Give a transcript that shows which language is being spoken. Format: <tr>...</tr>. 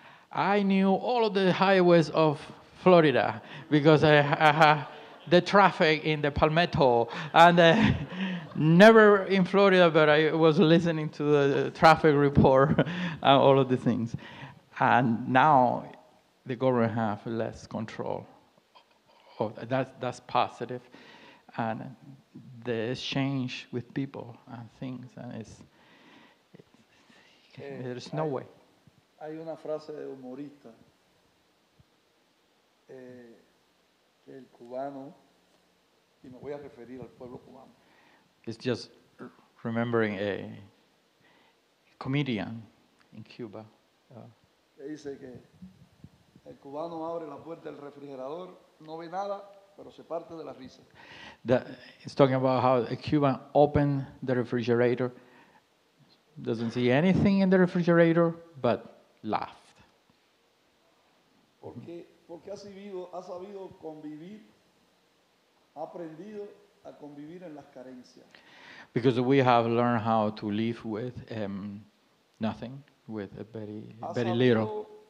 <en>I knew all of the highways of Florida because the traffic in the Palmetto and never in Florida, but I was listening to the traffic report and all of the things. And now the government have less control. That's positive. And the exchange with people and things, and there's no way.</en> <es>Hay una frase de humorista que el cubano, y me voy a referir al pueblo cubano.</es> <en>It's just remembering a comedian in Cuba.</en> <es>Que dice que el cubano abre la puerta del refrigerador, no ve nada, pero se parte de la risa.</es> <en>It's talking about how a Cuban opened the refrigerator, doesn't see anything in the refrigerator, but laughed.</en> <es>Porque ha sabido convivir, ha aprendido a convivir en las carencias.</es> <en>Because we have learned how to live with nothing, with a very, very little.</en>